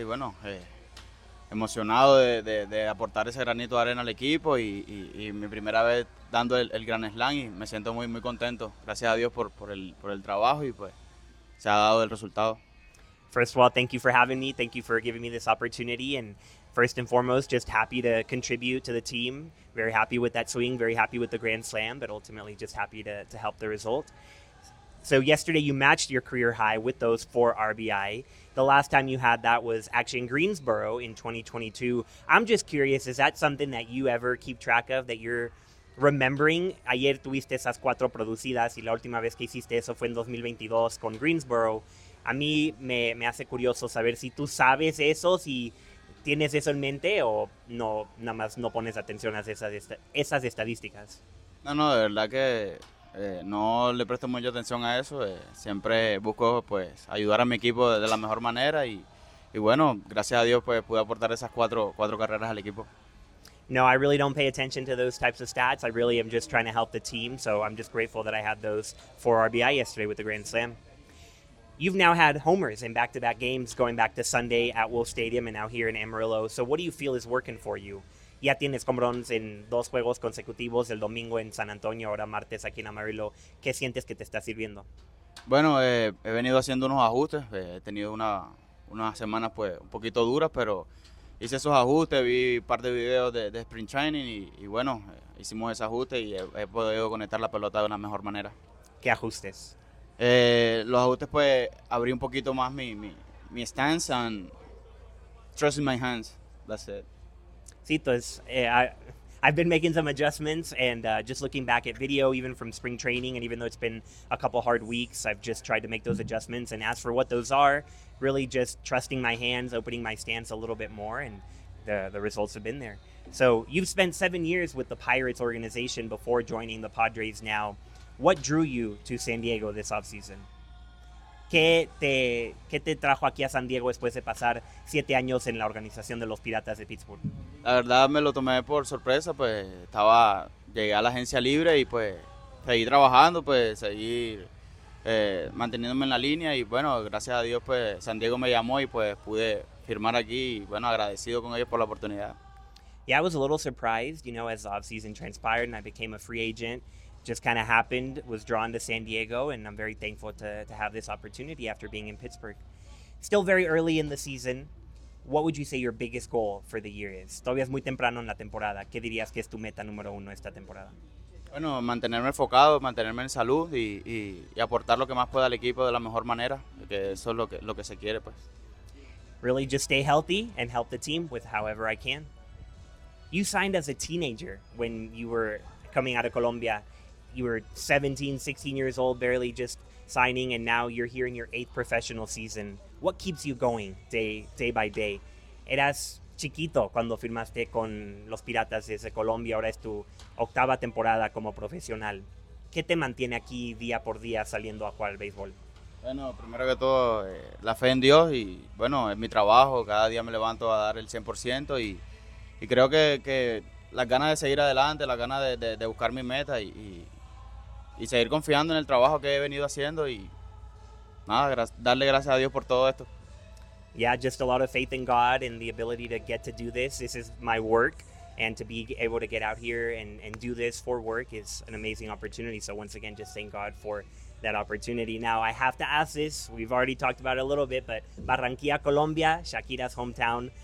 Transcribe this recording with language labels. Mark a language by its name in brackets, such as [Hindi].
[Spanish] Y bueno, emocionado de aportar ese granito de arena al equipo y mi primera vez dando el grand slam. Y me siento muy, muy contento. Gracias a Dios por el trabajo y pues se ha dado el resultado. [English] First of all, thank you for having me. Thank you for giving me this opportunity. And first and foremost, just happy to contribute to the team. Very happy with that swing. Very happy with the grand slam. But ultimately, just happy to help the result. So yesterday, you matched your career high with those four RBI. The last time you had that was actually in Greensboro in 2022. I'm just curious, is that something that you ever keep track of, that you're remembering? [Spanish] Ayer tuviste esas cuatro producidas y la última vez que hiciste eso fue en 2022 con Greensboro. A mí me hace curioso saber si tú sabes eso, si tienes eso en mente o no, nada más no pones atención a esas estadísticas. No, no, de verdad que no le presto mucha atención a eso. Siempre busco pues ayudar a mi equipo de la mejor manera y bueno, gracias a Dios pues pude aportar esas cuatro carreras al equipo. [English] No, I really don't pay attention to those types of stats. I really am just trying to help the team, so I'm just grateful that I had those four RBI yesterday with the Grand Slam. You've now had homers in back-to-back games going back to Sunday at Wolf Stadium and now here in Amarillo. So what do you feel is working for you? [Spanish] Ya tienes home runs en dos juegos consecutivos, el domingo en San Antonio, ahora martes aquí en Amarillo. ¿Qué sientes que te está sirviendo? Bueno, he venido haciendo unos ajustes. He tenido una semana pues, un poquito dura, pero hice esos ajustes, vi un par de videos de Spring Training y bueno, hicimos ese ajuste y he podido conectar la pelota de una mejor manera. ¿Qué ajustes? Los ajustes pues abrí un poquito más mi stance [English] and trust in my hands, that's it. [Spanish] Sí, entonces [English] I've been making some adjustments and just looking back at video even from spring training, and even though it's been a couple hard weeks, I've just tried to make those adjustments, and as for what those are, really just trusting my hands, opening my stance a little bit more, and the results have been there. So you've spent 7 years with the Pirates organization before joining the Padres now. What drew you to San Diego this offseason? [Spanish] ¿Qué te trajo aquí a San Diego después de pasar 7 años en la organización de los Piratas de Pittsburgh? La verdad me lo tomé por sorpresa, pues llegué a la agencia libre y pues seguí trabajando, pues seguí manteniéndome en la línea y bueno, gracias a Dios pues San Diego me llamó y pues pude firmar aquí y bueno, agradecido con ellos por la oportunidad. [English] Yeah, I was a little surprised, you know, as the offseason transpired and I became a free agent. Just kind of happened, was drawn to San Diego, and I'm very thankful to have this opportunity after being in Pittsburgh. Still very early in the season, what would you say your biggest goal for the year is? [Spanish] Todavía es muy temprano en la temporada. ¿Qué dirías que es tu meta número uno esta temporada? Bueno, mantenerme enfocado, mantenerme en salud y aportar lo que más pueda al equipo de la mejor manera, que eso es lo que se quiere, pues. [English] Really, just stay healthy and help the team with however I can. You signed as a teenager when you were coming out of Colombia. You were 17, 16 years old, barely just signing, and now you're here in your 8th professional season. What keeps you going day by day? [Spanish] Eras chiquito cuando firmaste con los Piratas desde Colombia. Ahora es tu octava temporada como profesional. ¿Qué te mantiene aquí día por día saliendo a jugar al béisbol? Bueno, primero que todo, la fe en Dios y, bueno, es mi trabajo. Cada día me levanto a dar el 100% y creo que las ganas de seguir adelante, las ganas de buscar mi meta y seguir confiando en el trabajo que he venido haciendo y nada, darle gracias a Dios por todo esto. [English] Yeah, just a lot of faith in God and the ability to get to do this. This is my work, and to be able to get out here and do this for work is an amazing opportunity. So once again, just thank God for that opportunity. Now, I have to ask this. We've already talked about it a little bit, but Barranquilla, Colombia, Shakira's hometown.